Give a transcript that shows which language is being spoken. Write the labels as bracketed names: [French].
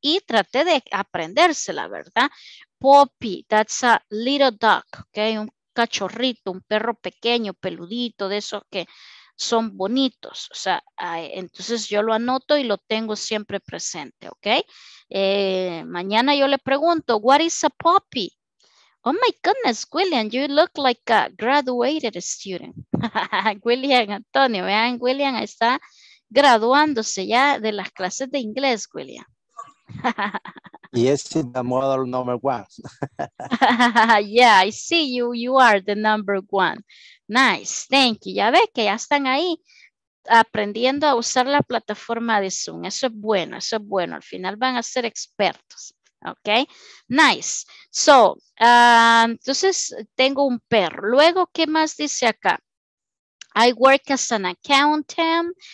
[Spanish] Y trate de aprendérsela, ¿verdad? [English] Poppy, that's a little dog, okay? [Spanish] Un cachorrito, un perro pequeño, peludito, de esos que son bonitos. O sea, entonces yo lo anoto y lo tengo siempre presente, ¿ok? Mañana yo le pregunto, [English] what is a puppy? Oh my goodness, William, you look like a graduated student. [Spanish] William Antonio, vean, William está graduándose ya de las clases de inglés, William. [English] Yes, the model number one. Yeah, I see you, you are the number one. Nice, thank you. [Spanish] Ya ve que ya están ahí aprendiendo a usar la plataforma de Zoom. Eso es bueno, eso es bueno. Al final van a ser expertos. Ok, nice. So, entonces tengo un perro. Luego, ¿qué más dice acá? [English] I work as an accountant.